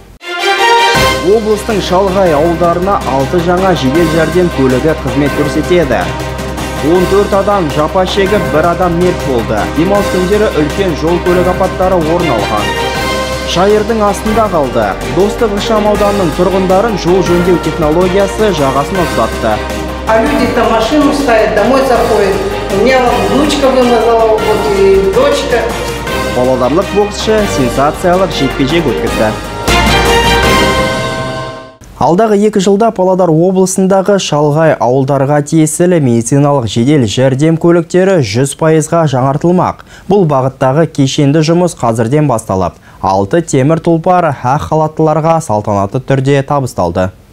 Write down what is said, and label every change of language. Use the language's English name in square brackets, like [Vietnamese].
[Kazakh] Облыстың Шалғай ауылдарына 6 жаңа жедел жәрдем көлігі қызмет көрсетеді. 14 адам жапа шегіп, бір адам мерт болды. Демалыс күндері үлкен жол көлік апаттары орын алған. Шайырдың астында қалды. Достық ықшамауданының тұрғындарын жол жөндеу технологиясы жағасын ұзатты. [Russian] А люди там машину ставят, домой заходят. У меня внучка вымазала, вот и дочка. [Kazakh] Павлодарлық боксшы сенсациялық жекпе-жек өткізді. Алдағы 2 жылда Павлодар облысындағы Шалғай ауылдарға тиесілі медициналық жедел жәрдем көліктері 100%-ға жаңартылмақ. Бұл бағыттағы кешенді жұмыс қазірден басталып, 6 темір тұлпар ақ халаттыларға салтанатты түрде табысталды.